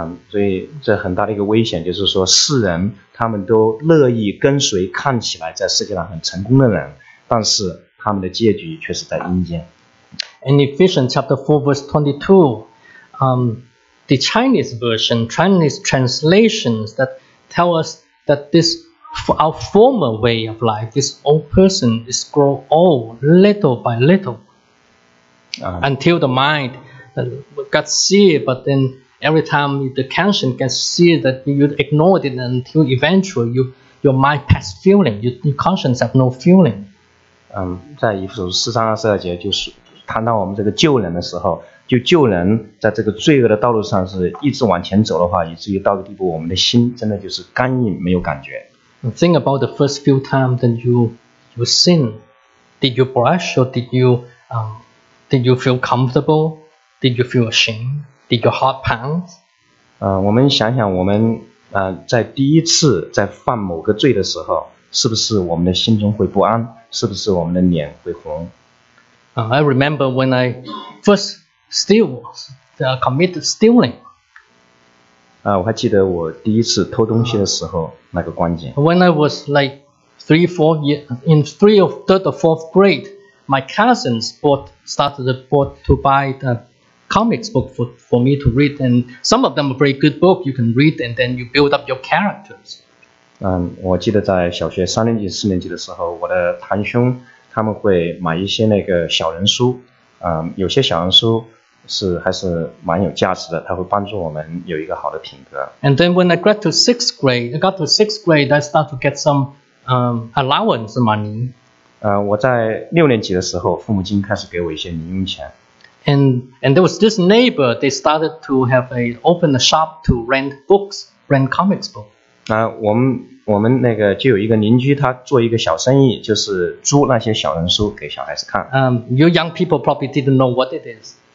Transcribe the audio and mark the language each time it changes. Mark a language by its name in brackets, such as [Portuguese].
[Chinese] 所以这很大的一个危险，就是说世人他们都乐意跟随看起来在世界上很成功的人，但是他们的结局却是在阴间。 [English] In Ephesians chapter 4 verse 22, the Chinese translations that tell us that this our former way of life, this old person is grow old little by little. Until the mind got seared, but then every time the conscience gets seared, that you ignored it until eventually you, your mind has feeling, your conscience have no feeling. [Chinese] 在以弗所四章二十二节就是谈到我们这个救人的时候，就救人在这个罪恶的道路上是一直往前走的话，以至于到个地步，我们的心真的就是干硬，没有感觉。 [English] Think about the first few times that you sin. Did you blush or did you feel comfortable? Did you feel ashamed? Did your heart pound? [Chinese] 我们想想我们在第一次在犯某个罪的时候，是不是我们的心中会不安？是不是我们的脸会红？ [English] I remember when I first committed stealing. [Chinese] 我还记得我第一次偷东西的时候那个光景。 [English] When I was like third or fourth grade, my cousins started to buy the comics book for me to read, and some of them are very good book you can read, and then you build up your characters. [Chinese] 我记得在小学三年级、四年级的时候，我的堂兄他们会买一些那个小人书，有些小人书是还是蛮有价值的，它会帮助我们有一个好的品格。 [English] And then when I got to sixth grade, I start to get some allowance money. [Chinese] 我在六年级的时候，父母亲开始给我一些零用钱。 [English] And there was this neighbor, they started to have a open a shop to rent books, rent comics book. [Chinese] 我们那个就有一个邻居，他做一个小生意，就是租那些小人书给小孩子看。 [English] You young people probably didn't know what it is.